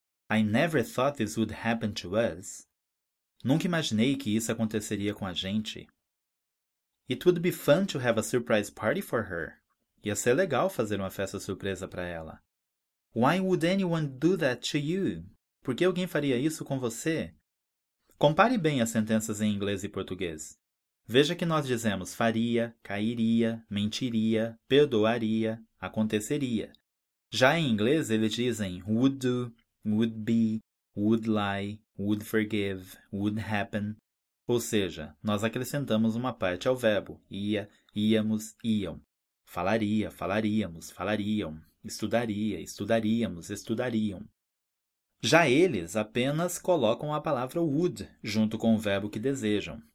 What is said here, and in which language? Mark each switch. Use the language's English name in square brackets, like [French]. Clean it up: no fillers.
[English] I never thought this would happen to us. [Portuguese] Nunca imaginei que isso aconteceria com a gente. [English] It would be fun to have a surprise party for her. [Portuguese] Ia ser legal fazer uma festa surpresa para ela. [English] Why would anyone do that to you? [Portuguese] Por que alguém faria isso com você? Compare bem as sentenças em inglês e português. Veja que nós dizemos faria, cairia, mentiria, perdoaria, aconteceria. Já em inglês, eles dizem would do, would be, would lie, would forgive, would happen. Ou seja, nós acrescentamos uma parte ao verbo. Ia, íamos, iam. Falaria, falaríamos, falariam. Estudaria, estudaríamos, estudariam. Já eles apenas colocam a palavra would junto com o verbo que desejam.